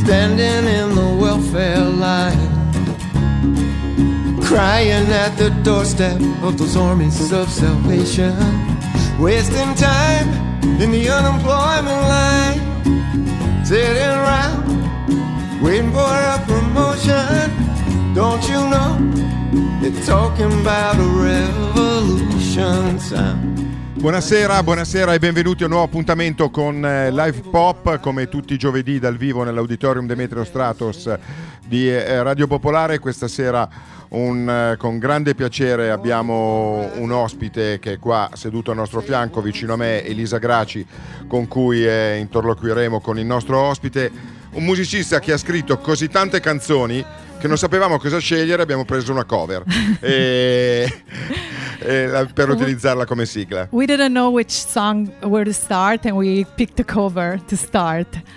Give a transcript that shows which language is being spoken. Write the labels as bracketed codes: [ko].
[en] Standing in the welfare line, crying at the doorstep of those armies of salvation, wasting time in the unemployment line, sitting around waiting for a promotion. Don't you know, they're talking about a revolution sound. [it] Buonasera, buonasera e benvenuti a un nuovo appuntamento con Live Pop, come tutti i giovedì dal vivo nell'Auditorium Demetrio Stratos di Radio Popolare. Questa sera con grande piacere abbiamo un ospite che è qua seduto al nostro fianco, vicino a me, Elisa Graci, con cui interloquiremo con il nostro ospite, un musicista che ha scritto così tante canzoni che non sapevamo cosa scegliere, abbiamo preso una cover per utilizzarla come sigla. [en] We didn't know which song where to start and we picked a cover to start.